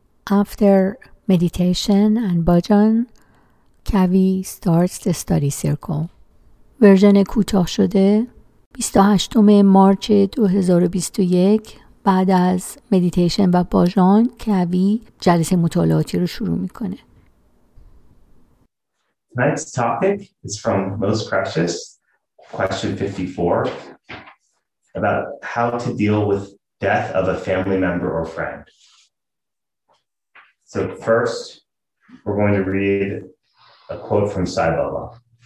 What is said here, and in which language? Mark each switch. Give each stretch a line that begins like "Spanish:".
English: After meditation and bhajan, Kavi starts the study circle.
Persian: Version کوتاه شده 28 مارچ 2021 بعد از مدیتیشن و بھاجان کوی جلسه مطالعاتی رو شروع میکنه.
English: Tonight's topic is from Most Precious, question 54, about how to deal with death of a family member or friend. So first, we're going to read a quote from Sai Baba.